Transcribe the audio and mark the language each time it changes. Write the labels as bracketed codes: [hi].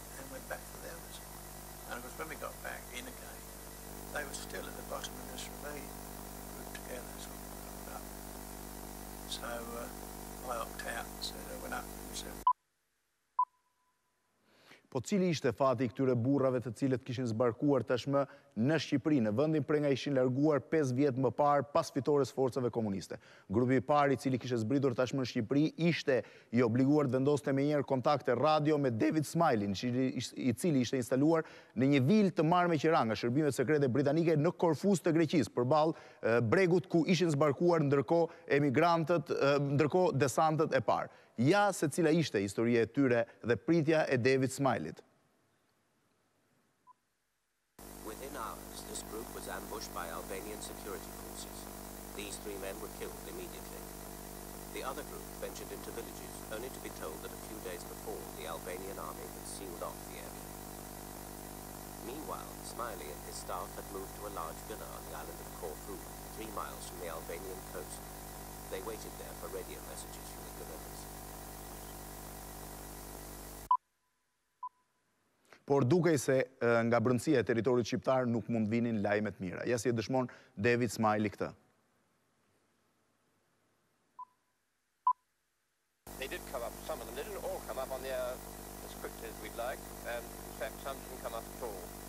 [en] Went back for the others. And of course when we got back in again, they were still at the bottom of this ravine, grouped together, sort of grouped up. So I opted out, so they went up and said, [sq] Po cili ishte fati këtyre burrave të cilët kishin zbarkuar tashmë në Shqipëri, në vendin prej nga ishin larguar 5 vjet më parë pas fitores forcave komuniste. Grupi I parë I cili kishte zbritur tashmë në Shqipëri ishte I obliguar të vendoste me njëherë kontakte radio me David Smilin, I cili ishte instaluar në një vilë të marrë me qira nga shërbimet sekrete britanike në Korfus të Greqisë, përballë bregut ku ishin zbarkuar ndërkohë emigrantët, ndërkohë desantët e parë. Ja se cila ishte historia e tyre dhe pritja e David Smilit. [en] Within hours, this group was ambushed by Albanian security forces. These three men were killed immediately. The other group ventured into villages, only to be told that a few days before, the Albanian army had sealed off the area. Meanwhile, Smiley and his staff had moved to a large villa on the island of Corfu, 3 miles from the Albanian coast. They waited there for radio messages from the villagers. [sq] Por dukej se nga brëndësia e territorit shqiptar nuk mund vinin lajmet mira. Ja si e dëshmon David Smiley këtë. [en] They did come up, some of them, they didn't all come up on the air as quickly as we'd like, and in fact some didn't come up at all.